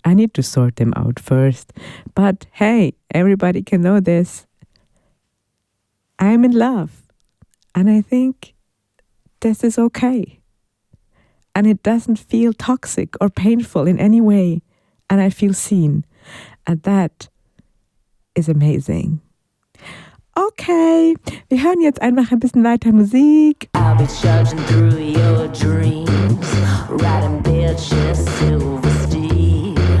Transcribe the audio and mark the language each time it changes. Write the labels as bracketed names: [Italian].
[English] I need to sort them out first. But hey, everybody can know this. I'm in love. And I think this is okay. And it doesn't feel toxic or painful in any way. And I feel seen. And that is amazing. [German] Okay, wir hören jetzt einfach ein bisschen weiter Musik. [English] I'll be charging through your dreams, riding bitches silver steam.